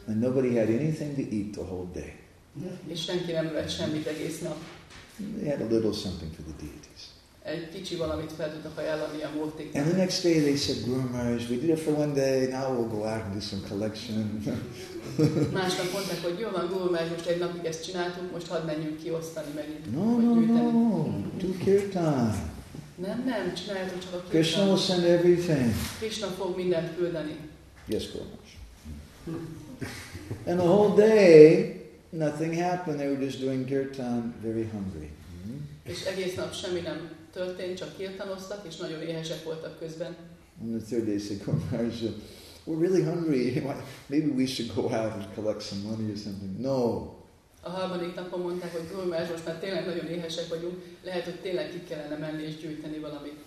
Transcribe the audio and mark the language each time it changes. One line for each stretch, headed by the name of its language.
English: And nobody had anything to eat the whole day.
Hungarian: És senki nem evett semmit egész nap.
English: They had a little something for the deities.
Hungarian: Egy kicsi valamit fel tudtak ajánlani a múltig.
English: And the next day they said, Guru Maharaj, we did it for one day, now we'll go out and do some collection.
Hungarian: Másnap mondták, hogy jó van, Guru Maharaj, most egy napig ezt csináltuk, most hadd menjünk kiosztani megint.
English: No, do kirtan.
Hungarian: Nem, csináljátok csak a kirtan.
English: Krishna will send everything.
Hungarian: Krishna fog mindent küldeni.
English: Yes, Guru Maharaj. And the whole day, nothing happened. They were just doing kirtan, very hungry. Mm-hmm.
Hungarian: És egész nap semmi nem történt, csak kirtanoztak, és nagyon éhesek voltak közben.
English: And the third day, said Guru Maharaj, we're really hungry. Maybe we should go out and collect some money or something. No.
Hungarian: A harmadik napon mondták, hogy Guru Maharaj, most már tényleg nagyon éhesek vagyunk, lehet, hogy tényleg ki kellene menni és gyűjteni valamit.